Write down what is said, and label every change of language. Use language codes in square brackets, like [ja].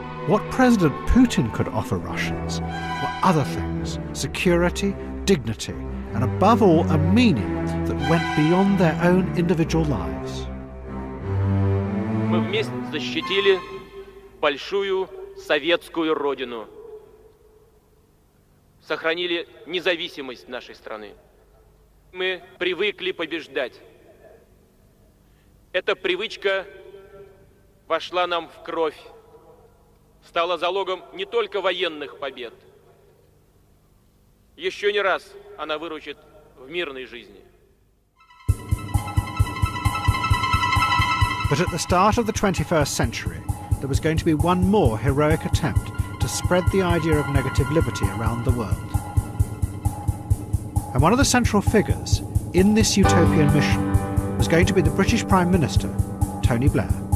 [en] What President Putin could offer Russians were other things: security, dignity, and above all, a meaning that went beyond their own individual lives. [ru] Мы вместе защитили большую советскую родину, сохранили независимость нашей страны. Мы привыкли побеждать. Эта привычка вошла нам в кровь, стала залогом не только военных побед. Еще не раз она выручит в мирной жизни. [en] But at the start of the 21st century, there was going to be one more heroic attempt to spread the idea of negative liberty around the world. And one of the central figures in this utopian mission was going to be the British Prime Minister, Tony Blair.